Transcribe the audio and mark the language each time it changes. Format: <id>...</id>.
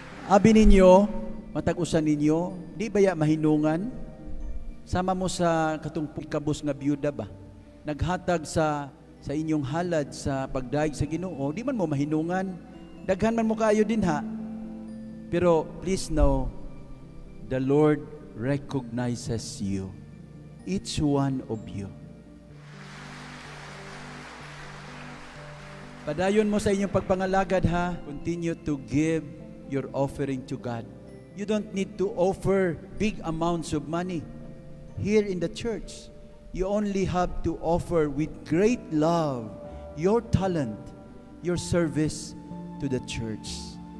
<ceb>Abi ninyo, matag-usan ninyo, di baya mahinungan? Sama mo sa katong pagkabos nga byuda ba? Naghatag sa inyong halad sa pagdaig sa Ginoo, di man mo mahinungan. Daghan man mo kaayo din ha.</ceb> <en>Pero please know, the Lord recognizes you. Each one of you.</en> <ceb>Padayon mo sa inyong pagpangalagad ha.</ceb> <en>Continue to give your offering to God. You don't need to offer big amounts of money. Here in the church, you only have to offer with great love your talent, your service to the church.</en>